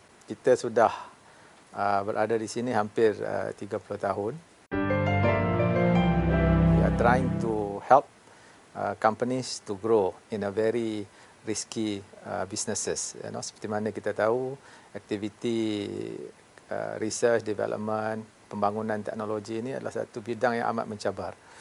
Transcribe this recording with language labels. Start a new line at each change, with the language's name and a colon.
Malay: Kita sudah berada di sini hampir 30 tahun.
English: We are trying to help companies to grow in a very risky businesses. You know,
Malay: seperti mana kita tahu, aktiviti
English: research, development,
Malay: pembangunan teknologi ini adalah satu bidang yang amat mencabar.